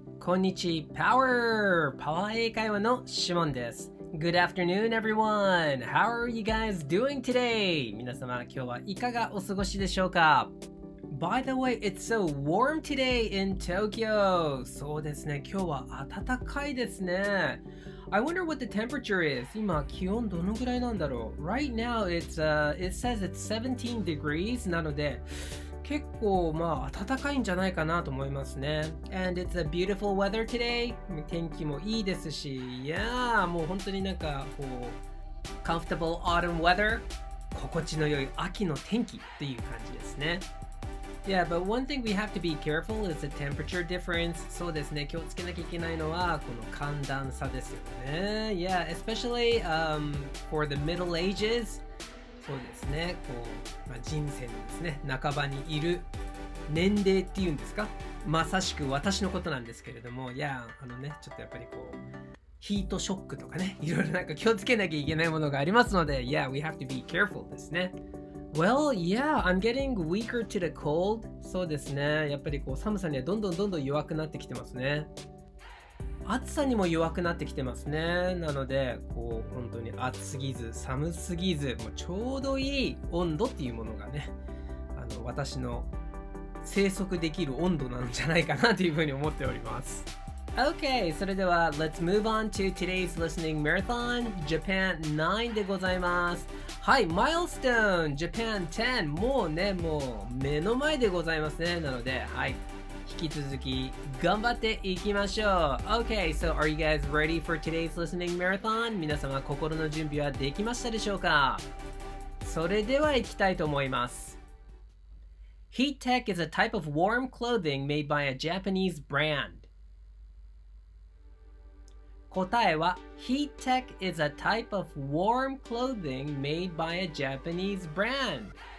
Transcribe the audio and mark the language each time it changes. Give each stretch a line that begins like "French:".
Japanese: こんにちは、パワーパワー英会話のシモンです。
English: Good afternoon everyone! How are you guys doing today?
Japanese: 皆様、今日はいかがお過ごしでしょうか？
English: By the way, it's so warm today in Tokyo!
Japanese: そうですね、今日は暖かいですね。
English: I wonder what the temperature is.
Japanese: 今気温どのぐらいなんだろう。
English: Right now it's, it says it's 17 degrees.
Japanese: なので結構まあ暖かいんじゃないかなと思いますね。
English: And it's a beautiful weather today.
Japanese: 天気もいいですし、
English: Yeah,
Japanese: もう本当になんかこう
English: comfortable autumn weather.
Japanese: 心地の良い秋の天気っていう感じですね。
English: Yeah, but one thing we have to be careful is the temperature difference.
Japanese: そうですね、気をつけなきゃいけないのはこの寒暖差ですよね。
English: Yeah, especially、for the middle ages.
Japanese: そうですね、こう、まあ、人生のですね、半ばにいる年齢っていうんですか、まさしく私のことなんですけれども、 Yeah, あのね、ちょっとやっぱりこうヒートショックとかね、いろいろなんか気をつけなきゃいけないものがありますので、 Yeah,
English: we have to be careful
Japanese: ですね。
English: Well, yeah, I'm getting weaker to the cold.
Japanese: そうですね。やっぱりこう寒さにはどんどんどんどん弱くなってきてますね。暑さにも弱くなってきてますね。なので、こう本当に暑すぎず、寒すぎず、もうちょうどいい温度っていうものがね、あの私の生息できる温度なんじゃないかなというふうに思っております。
English: Okay,
Japanese: それでは
English: Let's move on to today's listening marathon, Japan 9
Japanese: でございます。はい、マイルストーン、Japan 10、もうね、もう目の前でございますね。なので、はい、引き続き頑張っていきましょう。
English: Okay, so are you guys ready for today's listening marathon?
Japanese: 皆様、心の準備はできましたでしょうか？それでは行きたいと思います。
English: Heat tech is a type of warm clothing made by a Japanese brand.
Japanese: 答えは
English: Heat Tech is a type of warm clothing made by a Japanese brand.